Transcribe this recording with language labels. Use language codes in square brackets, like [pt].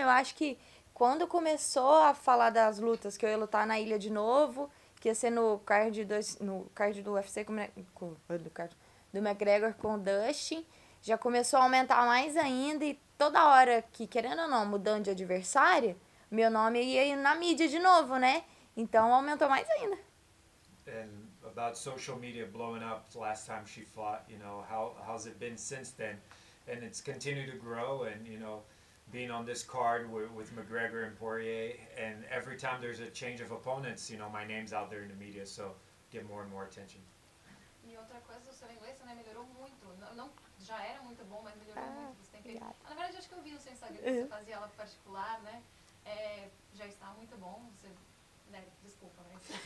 [pt] Eu acho que quando começou a falar das lutas, que eu ia lutar na ilha de novo, que ia ser no card, do UFC, do McGregor com o Dustin, já começou a aumentar mais ainda, e toda hora que, querendo ou não, mudando de adversário, meu nome ia ir na mídia de novo, né? Então aumentou mais ainda. [en] And about social media blowing up last time she fought, you know, how's it been since then? And it's continued to grow, and you know, being on this card with McGregor and Poirier, and every time there's a change of opponents, you know, my name's out there in the media, so get more and more attention. [pt] E outra coisa, o seu inglês, né, melhorou muito. Não, já era muito bom, mas melhorou muito. Você tem que... Na verdade, acho que eu vi no seu Instagram que você fazia aula particular, né? É, já está muito bom. Você, né, desculpa, mas...